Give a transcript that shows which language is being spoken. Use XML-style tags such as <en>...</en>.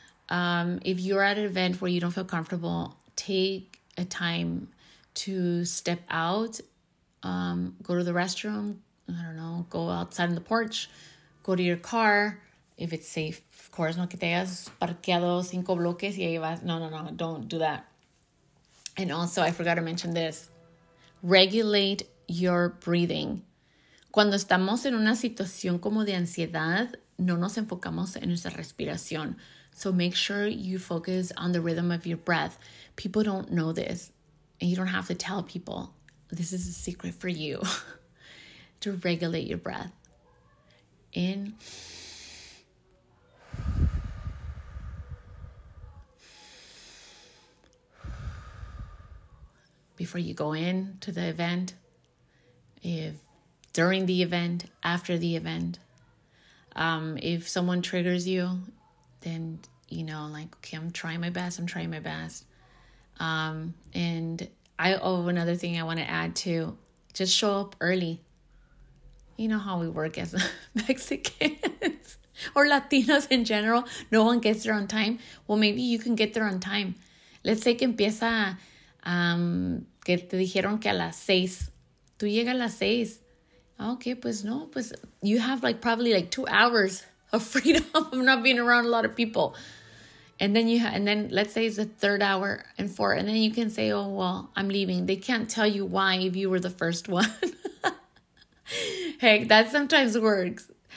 <en>If you're at an event where you don't feel comfortable, take a time to step out, go to the restroom, I don't know, go outside on the porch, go to your car. If it's safe, of course,</en> <es>no que te hayas parqueado cinco bloques y ahí vas.</es> <en>No, don't do that. And also, I forgot to mention this, regulate your breathing.</en> <es>Cuando estamos en una situación como de ansiedad, no nos enfocamos en nuestra respiración.</es> <en>So make sure you focus on the rhythm of your breath. People don't know this, and you don't have to tell people. This is a secret for you to regulate your breath. in. Before you go in to the event, if during the event, after the event, if someone triggers you, then, you know, like, okay, I'm trying my best. Another thing I want to add too, just show up early. You know how we work as Mexicans or Latinos in general. No one gets there on time. Well, maybe you can get there on time. Let's say</en> <es>que empieza, que te dijeron que a las seis. Tú llegas a las seis.</es> <en>Okay,</en> <es>pues no, pues</es> <en>you have like probably like 2 hours of freedom of not being around a lot of people. And then let's say it's the third hour and four. And then you can say, oh, well, I'm leaving. They can't tell you why if you were the first one. Heck, that sometimes works.</en>